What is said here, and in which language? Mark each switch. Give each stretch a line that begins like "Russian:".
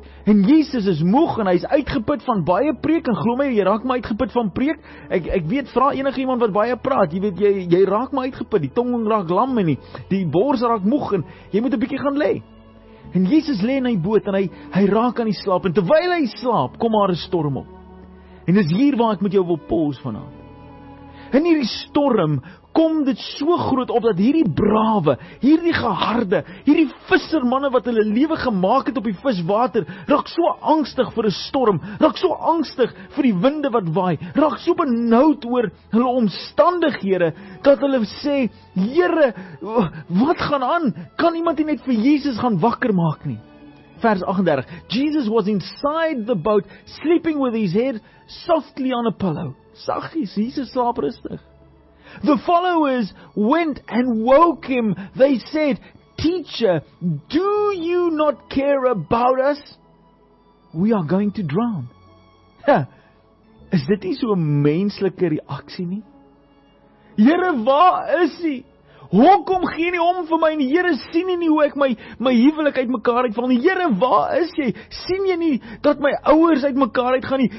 Afrikaans: En Jesus is moeg en hy is uitgeput van baie preek. En glo my, jy raak my uitgeput van preek. Ek weet, vra enige iemand wat baie praat. Jy weet, jy raak my uitgeput. Die tong raak lam en die bors raak moeg en jy moet 'n bietjie gaan lê. En Jesus lê in hy boot en hy raak aan die slaap. En terwyl hy slaap, kom daar 'n storm op. En dis hier waar ek met jou wil pause vanaand. In hierdie storm kom dit so groot op dat hierdie brawe, hierdie geharde, hierdie vissermanne wat hulle lewe gemaak het op die viswater, raak so angstig vir 'n storm, raak so angstig vir die winde wat waai, raak so benoud oor hulle omstandighede, dat hulle sê, Here, wat gaan aan? Kan iemand nie net vir Jesus gaan wakker maak nie? Vers 38,
English: Jesus was inside the boat, sleeping with his head softly on a pillow.
Afrikaans: Saggies, Jesus slaap rustig.
English: The followers went and woke him. They said, Teacher, do you not care about us? We are going to drown.
Afrikaans: Ja, is dit nie so'n menslike reaksie nie? Here, waar is hy? Hoekom gee nie om vir my? En Here, sien jy nie hoe ek my huwelik uit mekaar uitval nie? Here, waar is jy? Sien jy nie dat my ouers uit mekaar uitgaan nie?